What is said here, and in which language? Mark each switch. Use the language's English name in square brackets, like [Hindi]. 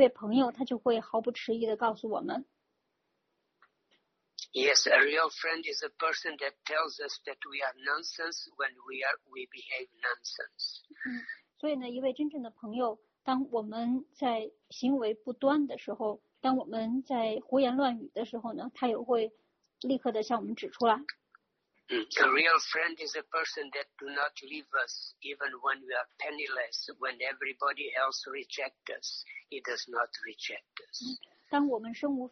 [Chinese] 像我们有一些事情不想听，但是呢，却对我们非常重要的这些信息，那么一位朋友他就会毫不迟疑地告诉我们。 [English] Yes, a real friend is a person that tells us that we are nonsense when we behave nonsense. [Chinese] 所以呢，一位真正的朋友，当我们在行为不端的时候，当我们在胡言乱语的时候呢，他也会立刻的向我们指出来。A [English] real friend is a person that do not leave us even when we are penniless, when everybody else rejects us, he does not reject us.